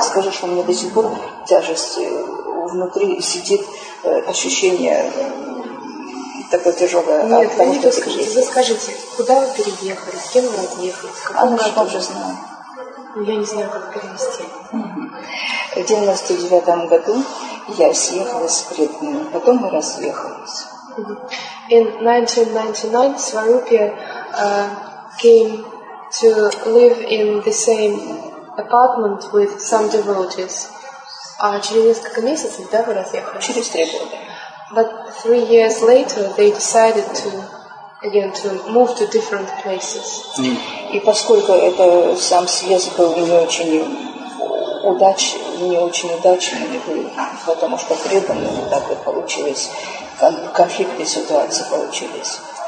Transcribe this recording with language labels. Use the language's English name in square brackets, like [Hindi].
[Russian] Скажу, что у меня до сих пор тяжесть внутри сидит ощущение такое тяжелое. Нет, вы не то скажите. Вы скажите, куда вы переехали, с кем вы отъехали, с какого года? Она же знает. Я не знаю, как перевести. В 99-м году я съехала с преданными, потом мы разъехались. [English] In 1999, Swarupya came to live in the same apartment with some devotees. [Russian] А через несколько месяцев, да, вы разъехались? Через 3 года. [English] But 3 years later, they decided to, again, to move to different places. Mm. [Russian] И поскольку это сам съезд был не очень удачный, потому что преданно так и получилось, конфликтные ситуации получились.